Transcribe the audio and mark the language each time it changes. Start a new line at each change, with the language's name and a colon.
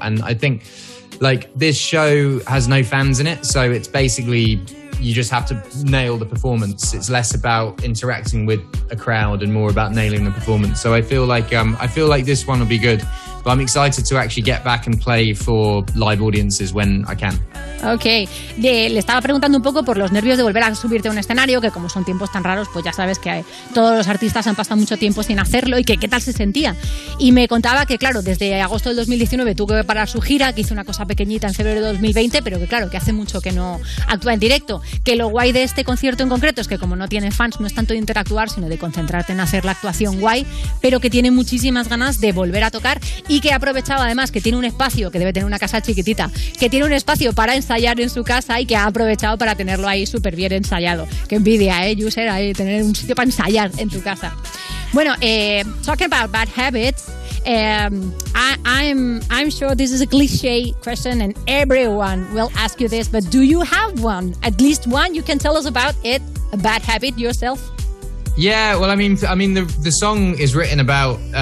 English: And I think like this show has no fans in it, so it's basically you just have to nail the performance. It's less about interacting with a crowd and more about nailing the performance. So I feel like this one will be good. But I'm excited to actually get back and play for live audiences when I can. Okay.
Spanish: Le estaba preguntando un poco por los nervios de volver a subirte a un escenario, que como son tiempos tan raros, pues ya sabes que todos los artistas han pasado mucho tiempo sin hacerlo y que qué tal se sentía. Y me contaba que, claro, desde agosto del 2019 tuvo que parar su gira, que hizo una cosa pequeñita en febrero de 2020, pero que claro, que hace mucho que no actúa en directo. Que lo guay de este concierto en concreto es que como no tiene fans, no es tanto de interactuar, sino de concentrarte en hacer la actuación guay, pero que tiene muchísimas ganas de volver a tocar. Y que ha aprovechado además que tiene un espacio, que debe tener una casa chiquitita, que tiene un espacio para ensayar en su casa y que ha aprovechado para tenerlo ahí súper bien ensayado. Qué envidia, ¿eh, Yusser? Ahí tener un sitio para ensayar en tu casa.
English: Bueno, talking about bad habits, I'm sure this is a cliche question and everyone will ask you this, but do you have one? At least one you can tell us about it, a bad habit yourself? Yeah, well, I mean the song is written about...